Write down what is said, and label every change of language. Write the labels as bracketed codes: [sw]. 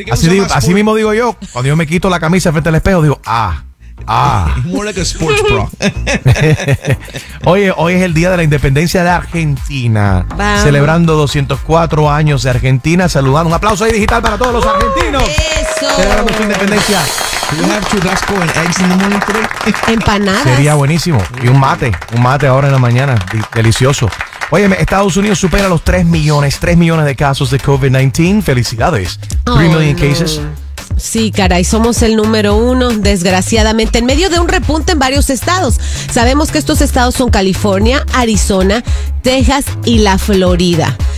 [es] así digo, así mismo digo yo. Cuando yo me quito la camisa frente al espejo, digo, ah. [en] More like a sports bra. [es] Oye, hoy es el día de la independencia de Argentina. Vamos. Celebrando 204 años de Argentina. Saludando. Un aplauso ahí digital para todos los argentinos. Eso. Celebrando su independencia. [en] You have churrasco and eggs in the morning today. [es] Empanadas. Sería buenísimo. Y un mate ahora en la mañana. Delicioso. Óyeme, Estados Unidos supera los 3 millones de casos de COVID-19. Felicidades. [en] 3 million cases. [es] Sí, caray, somos el número uno, desgraciadamente, en medio de un repunte en varios estados. Sabemos que estos estados son California, Arizona, Texas y la Florida.